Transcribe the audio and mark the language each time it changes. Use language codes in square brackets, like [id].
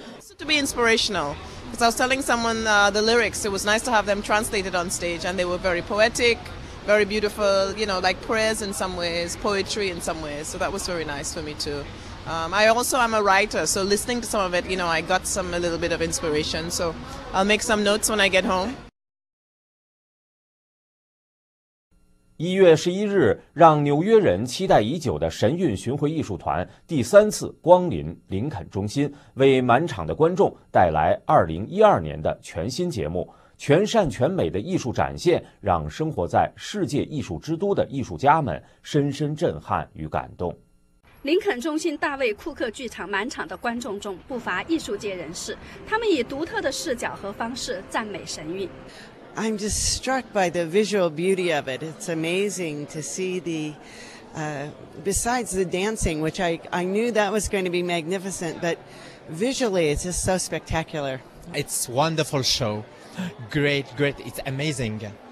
[en] Also to be inspirational, because I was telling someone the lyrics, it was nice to have them translated on stage and they were very poetic, very beautiful, you know, like prayers in some ways, poetry in some ways, so that was very nice for me too. I'm a writer, so listening to some of it, you know, I got a little bit of inspiration, so I'll make some notes when I get home. [zh] 1月11日，让纽约人期待已久的神韵巡回艺术团第三次光临林肯中心，为满场的观众带来2012年的全新节目，全善全美的艺术展现让生活在世界艺术之都的艺术家们深深震撼与感动。林肯中心大卫库克剧场满场的观众中不乏艺术界人士，他们以独特的视角和方式赞美神韵。 [en] I'm just struck by the visual beauty of it. It's amazing to see the, besides the dancing, which I knew that was going to be magnificent, but visually it's just so spectacular. It's a wonderful show. Great, great. It's amazing.